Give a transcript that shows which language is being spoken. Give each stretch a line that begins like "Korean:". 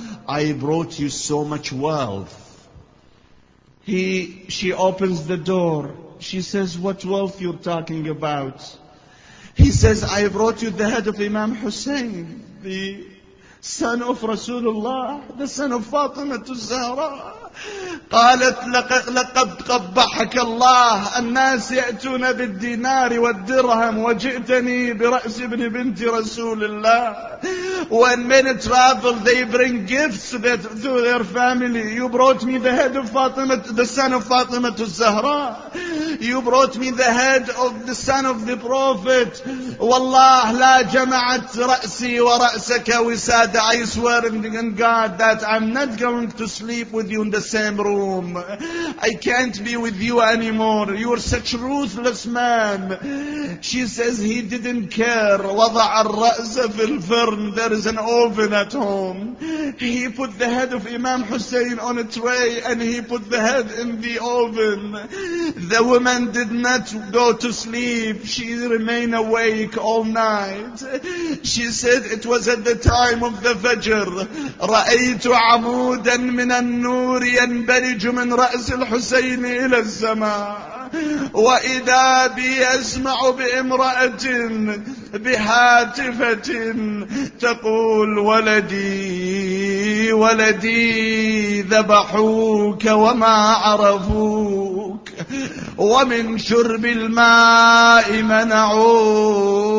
English: I brought you so much wealth. She opens the door. She says, what wealth you're talking about? He says, I brought you the head of Imam Hussein, the son of Rasulullah, the son of Fatima al-Zahra.
Arabic: قالت لقد قبحك الله الناس يأتون بالدينار والدرهم وجئتني برأس ابن بنت رسول الله.
English: When men travel, they bring gifts to their family. You brought me the head of Fatima, the son of Fatima al-Zahra. You brought me the head of the son of the Prophet.
Arabic: والله لا جمعت رأسي ورأسك وسادة.
English: I swear in God that I'm not going to sleep with you in the same room. I can't be with you anymore. You are such a ruthless man. She says he didn't care.
Arabic: وضع الرأس في الفرن.
English: There is an oven at home. He put the head of Imam Hussein on a tray and he put the head in the oven. The woman did not go to sleep. She remained awake all night. She said it was at the time of the Fajr.
Arabic: رأيت عمودا من النور ينبرج من رأس الحسين إلى السماء. وإذا بي أسمع بامرأة بهاتفة تقول ولدي ولدي ذبحوك وما عرفوك ومن شرب الماء منعوك.